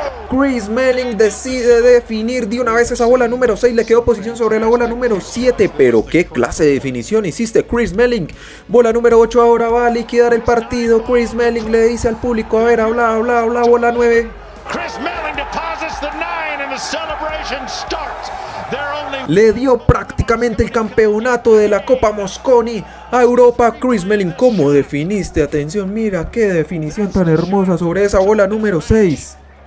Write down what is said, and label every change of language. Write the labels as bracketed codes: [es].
[es] Chris Melling decide definir de una vez esa bola número 6. Le quedó posición sobre la bola número 7. Pero qué clase de definición hiciste, Chris Melling. Bola número 8 ahora va a liquidar el partido. Chris Melling le dice al público, a ver, habla, habla, habla, bola 9. [en] Chris Melling deposits the 9 and the celebration starts. [es] Le dio prácticamente el campeonato de la Copa Mosconi a Europa. Chris Melling, ¿cómo definiste? Atención, mira qué definición tan hermosa sobre esa bola número 6.